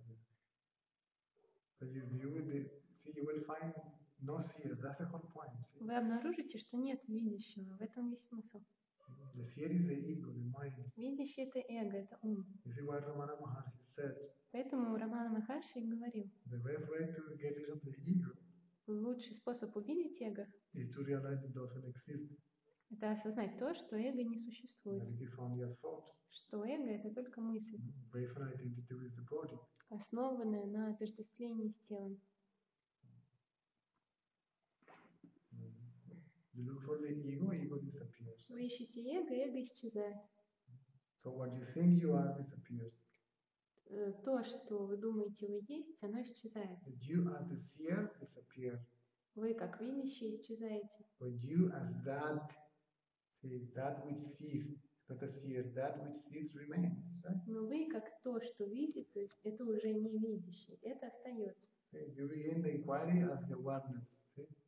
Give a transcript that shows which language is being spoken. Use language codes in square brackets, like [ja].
[en] Yeah. But you will find no seer. That's the whole point. See? [ru] Вы обнаружите, что нет видящего. В этом весь смысл. [en] The seer is the ego, the mind. [ru] Видящий — это эго, это ум. [en] Is it what Ramana Maharshi said? [ru] Поэтому Рамана Махарши говорил, [en] the best way to get rid of the ego, [ru] лучший способ увидеть эго, [en] is to realize it doesn't exist. [ru] Это осознать то, что эго не существует. [en] That it is only a thought. [ru] Что эго — это только мысль. [en] Based on identity with the body. [ru] Основанная на отождествлении с телом. [en] You look for the ego, ego disappears. [ru] Вы ищете эго, эго исчезает. [en] So what you think you are disappears. [ru] То, что вы думаете, вы есть, оно исчезает. [en] You as the seer disappear. [ru] Вы как видящий исчезаете. [en] But you as that, see, that which sees, not a seer, that which sees remains, right? [ru] Но вы как то, что видит, то есть это уже не видящий, это остается. [en] You begin the inquiry as the awareness, see?